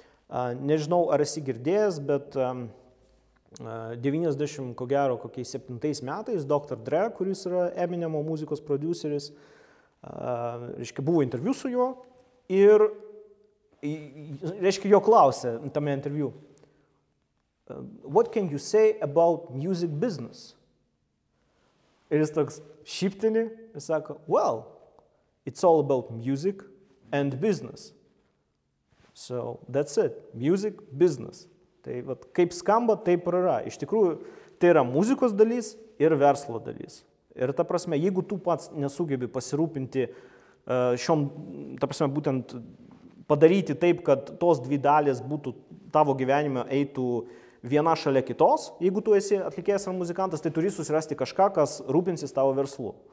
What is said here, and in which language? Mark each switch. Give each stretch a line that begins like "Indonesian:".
Lithuanian: Nežinau, ar esi girdėjęs, bet 90, ko gero, kokiais 7 metais, Dr. Dre, kuris yra Eminemo muzikos prodiuseris, reiškia, buvo interviu su juo, ir, reiškia, jo klausė tame interviu.
English: What can you say about music business?
Lithuanian: Ir jis toks šyptini ir sako,
English: well, it's all about music and business. So, that's it. Music, business.
Lithuanian: Tai vat, kaip skamba, taip ir yra. Iš tikrųjų, tai yra muzikos dalis ir verslo dalis. Ir ta prasme, jeigu tu pats nesugebi pasirūpinti šiom, ta prasme, būtent padaryti taip, kad tos dvi dalis būtų tavo gyvenime eitų viena šalia kitos, jeigu tu esi atlikėjas ar muzikantas, tai turi susirasti kažką, kas rūpinsis tavo verslu.